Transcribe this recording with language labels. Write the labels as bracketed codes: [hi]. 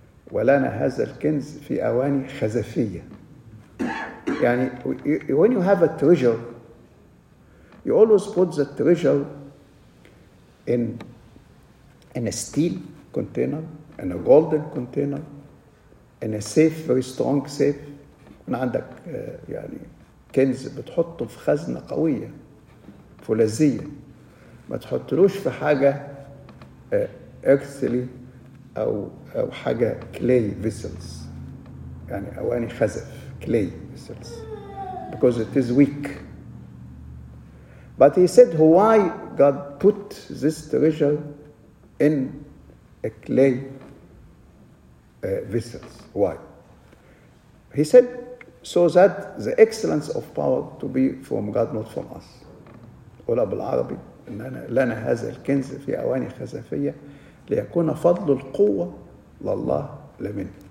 [ar] وَلَنَا هَذَا الْكِنْزِ فِي أَوَانِ خَزَفِيَّ. [en] يعني, when you have a treasure, you always put the treasure in a steel container, in a golden container, in a safe, very strong safe. [ar] كن عندك يعني كنز بتحطه في خزنة قوية فولاذية ما تحطلوش في حاجة earthly أو حاجة [en] clay vessels [ar] يعني أواني خزف [en] clay vessels because it is weak. But he said, why God put this treasure in a clay vessels? Why? He said, so that the excellence of power to be from God, not from us. [ar] قول أبو العربي لنا هذا الكنز في أواني خزفية ليكون فضل القوة لله لمن.